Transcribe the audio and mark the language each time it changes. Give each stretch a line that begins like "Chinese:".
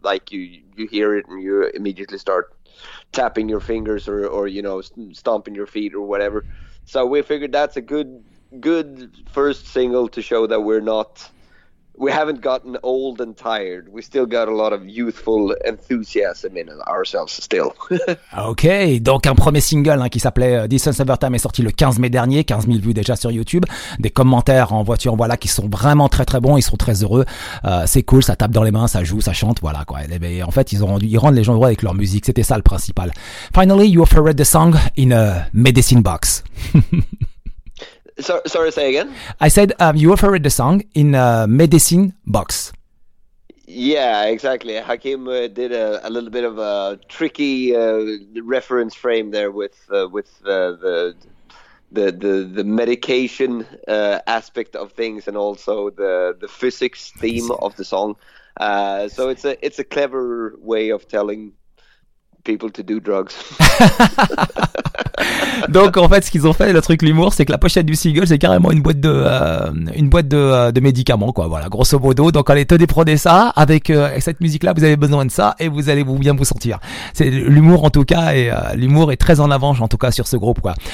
English: Like you hear it and you immediately start tapping your fingers or you know, stomping your feet or whatever. So we figured that's a good first single to show that we haven't gotten old and tired. We still got a lot of youthful enthusiasm in ourselves still.
French: Ok, donc un premier single hein, qui s'appelait Distance Over Time est sorti le 15 mai dernier, 15 000 vues déjà sur YouTube, des commentaires en voiture, voilà, qui sont vraiment très très bons, ils sont très heureux, c'est cool, ça tape dans les mains, ça joue, ça chante, voilà quoi. Et en fait, ils rendent les gens heureux avec leur musique, c'était ça le principal.
English: Finally, you offered the song in a medicine box. Sorry, say again. I said you offered the song in a medicine box. Yeah, exactly. Hakim did a little bit of a tricky reference frame there with the medication aspect of things, and also the physics theme medicine of the song. So it's a clever way of telling people to do drugs.
French: Donc en fait, ce qu'ils ont fait, le truc l'humour, c'est que la pochette du single, c'est carrément une boîte de médicaments, quoi. Voilà, grosso modo. Donc allez, tenez, prenez ça avec cette musique-là. Vous avez besoin de ça et vous allez bien vous sentir. C'est l'humour en tout cas, et l'humour est très en avance en tout cas sur ce groupe, quoi.